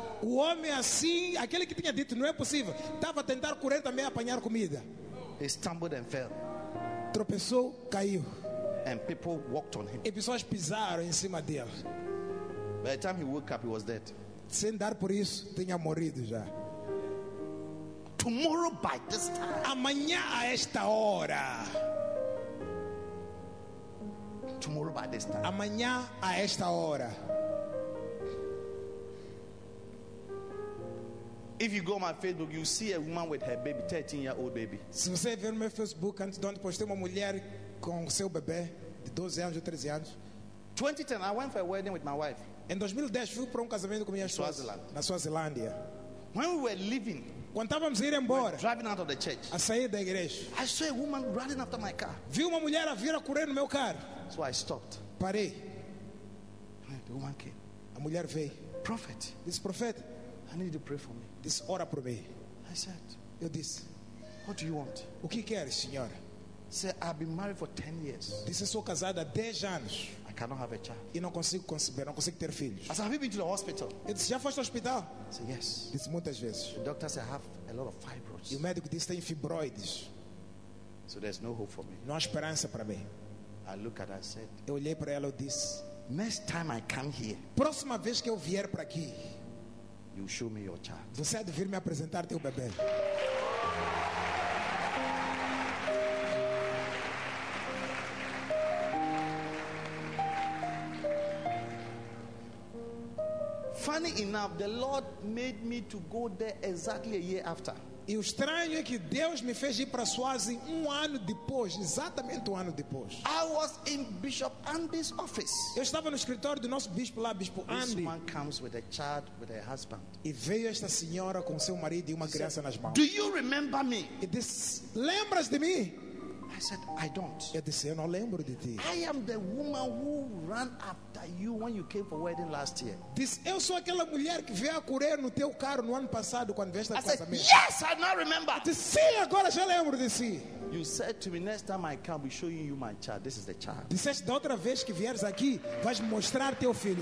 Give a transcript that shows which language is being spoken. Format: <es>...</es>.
<pt>O homem assim, aquele que tinha dito não é possível, estava a tentar correr também a apanhar comida.</pt> <en>He stumbled and fell.</en> <pt>Tropeçou, caiu.</pt> <en>And people walked on him.</en> <pt>E pessoas pisaram em cima dele.</pt> <en>By the time he woke up, he was dead.</en> <pt>Sem dar por isso, tinha morrido já.</pt> <en>Tomorrow by this time.</en> <pt>Amanhã a esta hora.</pt> <en>Tomorrow by this time.</en> <pt>Amanhã a esta hora.</pt> <en>If you go on my Facebook, you see a woman with her baby, 13-year-old baby.</en> <pt>Se você ver no meu Facebook, antes de ontem postei uma mulher com seu bebê de 12 anos ou 13 anos.</pt> <en>2010, I went for a wedding with my wife.</en> <pt>Em 2010 fui para casamento com minha esposa.</pt> <en>Swaziland.</en> <pt>Na Suazilândia.</pt> <en>When we were leaving,</en> <pt>quando estávamos a ir embora,</pt> <en>driving out of the church,</en> <pt>a sair da igreja,</pt> <en>I saw a woman running after my car.</en> <pt>Vi uma mulher a vir a correr no meu carro.</pt> <en>So I stopped.</en> <pt>Parei.</pt> <en>The woman came.</en> <pt>A mulher veio.</pt> <en>Prophet. This prophet. I need you to pray for me.</en> <pt>This ora por mim.</pt> <en>I said.</en> <pt>Eu disse.</pt> <en>What do you want?</en> <pt>O que queres, senhor?</pt> <en>Said, I've been married for 10 years.</en> <pt>Disse, sou casada há 10 anos.</pt> <en>I cannot have a child.</en> <pt>E não consigo conceber, não consigo ter filhos.</pt> <en>I said, have you been to the hospital?</en> <pt>Eu disse, já foste ao hospital?</pt> <en>Said, yes.</en> <pt>Disse, muitas vezes.</pt> <en>The doctor said, I have a lot of fibroids.</en> <pt>E o médico disse, tenho fibroides.</pt> <en>So there's no hope for me.</en> <pt>Não há esperança para mim.</pt> <en>I look at her, I said,</en> <pt>eu olhei para ela e disse,</pt> <en>next time I come here,</en> <pt>próxima vez que eu vier para aqui,</pt> <en>you show me your child.</en> <pt>Você há de vir me apresentar teu bebê.</pt> <en>Funny enough, the Lord made me to go there exactly a year after.</en> <pt>E o estranho é que Deus me fez ir para Swazi exatamente um ano depois.</pt> <en>I was in Bishop Andy's office.</en> <pt>Eu estava no escritório do nosso bispo lá, Bispo Andy.</pt> <en>This woman comes with a child, with her husband.</en> <pt>E veio esta senhora com seu marido e uma criança nas mãos.</pt> <en>Do you remember me?</en> <pt>E disse, lembras de mim?</pt> <en>I said, I don't.</en> <pt>Eu disse, eu não lembro de ti.</pt> <en>I am the woman who ran after you when you came for wedding last year.</en> <pt>Disse, eu sou aquela mulher que veio a correr no teu carro no ano passado quando veste a casamento.</pt> <en>Yes, I now remember.</en> <pt>Disse, sim, agora já lembro de si.</pt> <en>You said to me, next time I come, we'll show you my child. This is the child.</en> <pt>Disseste, da outra vez que vieres aqui, vais mostrar teu filho.</pt>